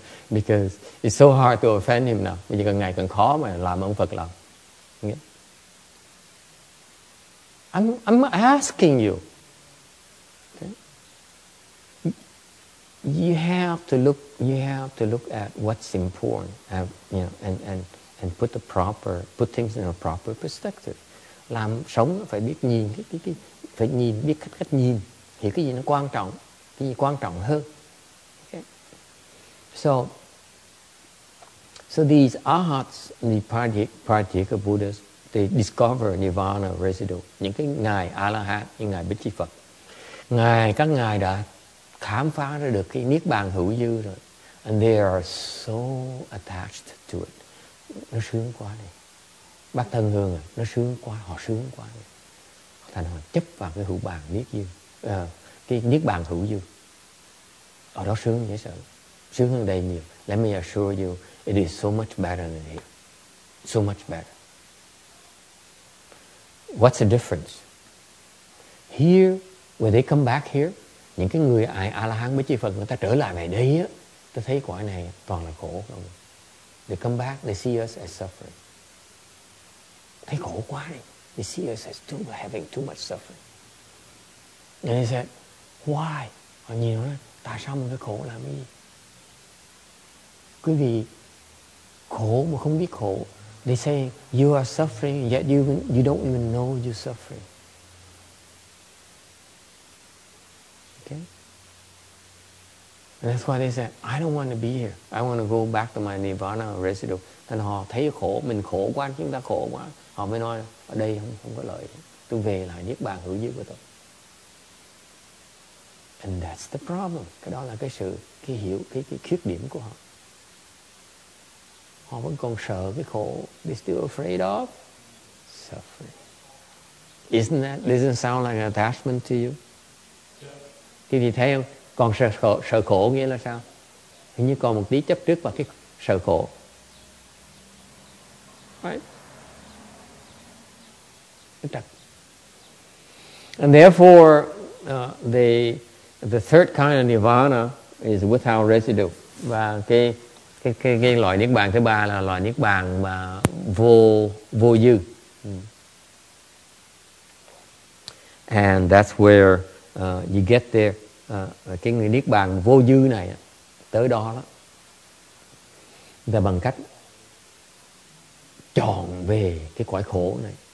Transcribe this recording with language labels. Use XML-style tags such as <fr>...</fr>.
<en>Because it's so hard to offend him now.</en> <vi>Bây giờ càng ngày càng khó mà làm ông Phật lòng.</vi> <en>I'm asking you. Okay. You have to look at what's important, and put things in a proper perspective.</en> <vi>Làm sống phải biết nhìn cái phải nhìn biết cách nhìn thì cái gì nó quan trọng, cái gì quan trọng hơn.</vi> <en>Okay. So these arhats, the Pratyeka Buddhas, they discover Nirvana residue.</en> <vi>Những cái ngài A-la-hán, những ngài Bích Chi Phật. Ngài, các ngài đã khám phá ra được cái Niết Bàn hữu dư rồi.</vi> <en>And they are so attached to it.</en> <vi>Nó sướng quá đi. Bác thân hương à, nó sướng quá, họ sướng quá đi. Thành họ chấp vào cái hữu bàn Niết dư. Cái Niết Bàn hữu dư. Ở đó sướng dễ sợ. Sướng hơn đây nhiều.</vi> <en>Let me assure you, it is so much better than here. So much better. What's the difference? Here, when they come back here,</en> <vi>những cái người ai A-la-hán với chư Phật người ta trở lại này đây á, ta thấy quả này toàn là khổ không?</vi> <en>They come back, they see us as suffering.</en> <vi>Thấy khổ quá đi.</vi> <en>He sees us as having too much suffering. And he said, why?</en> <vi>Họ nhìn nó, tại sao mình phải khổ làm gì? Quý vị khổ mà không biết khổ.</vi> <en>They say, you are suffering, yet you don't even know you're suffering. Okay? And that's why they said, I don't want to be here. I want to go back to my Nirvana residual.</en> <vi>Thế họ thấy khổ, mình khổ quá, chúng ta khổ quá. Họ mới nói, ở đây không có lợi. Tôi về lại Niết Bàn hữu dư của tôi.</vi> <en>And that's the problem.</en> <vi>Cái đó là cái sự, cái hiểu, cái khuyết điểm của họ. Họ vẫn còn sợ cái khổ.</vi> <en>They're still afraid of suffering. Doesn't sound like an attachment to you?</en> <vi>Cái gì thấy không? Còn sợ khổ nghĩa là sao? Hình như còn một tí chấp trước vào cái sợ khổ.</vi> <en>Right? And therefore, the third kind of nirvana is without residue.</en> <vi>Và cái loại niết bàn thứ ba là loại niết bàn mà vô dư.</vi> <en>And that's where you get there.</en> <vi>Cái người niết bàn vô dư này tới đó đó là bằng cách chọn về cái cõi khổ này.</vi>